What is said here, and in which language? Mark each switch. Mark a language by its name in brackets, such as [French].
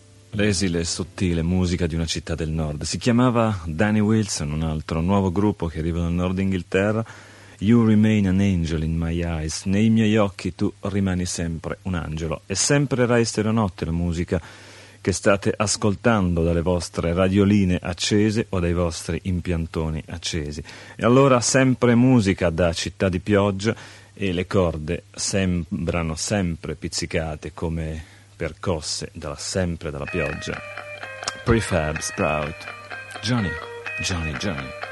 [Italian] L'esile e sottile musica di una città del nord. Si chiamava Danny Wilson, un altro nuovo gruppo che arriva dal nord Inghilterra. [English] You remain an angel in my eyes. [Italian] Nei miei occhi tu rimani sempre un angelo. E sempre Rai Stereonotte, la musica che state ascoltando dalle vostre radioline accese o dai vostri impiantoni accesi. E allora sempre musica da città di pioggia, e le corde sembrano sempre pizzicate come percosse dalla, sempre dalla pioggia. Prefab Sprout, Johnny, Johnny, Johnny.